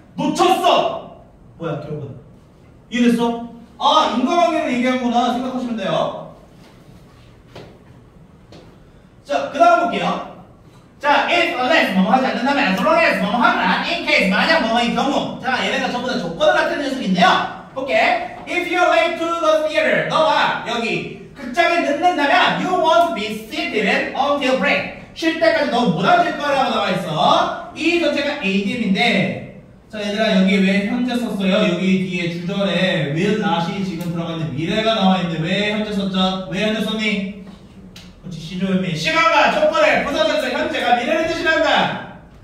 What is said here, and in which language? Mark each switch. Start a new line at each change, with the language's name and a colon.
Korean: 놓쳤어! 뭐야, 결국은. 이해됐어? 아, 인과관계를 얘기한구나 생각하시면 돼요. 자, 그 다음 볼게요. 자, if, unless, 뭐뭐 하지 않는다면, as long as, 뭐뭐 하거나, in case, 만약 뭐뭐인 경우. 자, 얘네가 전부 다 조건을 갖는 녀석인데요. 오케이.
English: If you're late to the theater,
Korean: 너와 여기 극장에 늦는다면,
English: you won't be seated until break.
Korean: 쉴 때까지 너 못 앉을 거라고 나와 있어. 이 전체가 ADM인데, 자, 얘들아, 여기 왜 현재 썼어요? 여기 뒤에 주절에 will not이 지금 들어가 있는 미래가 나와 있는데, 왜 현재 썼죠? 왜 현재 썼니? 시조현미, 시간과 조건을 부서져서 현재가 미래를 뜻이란다.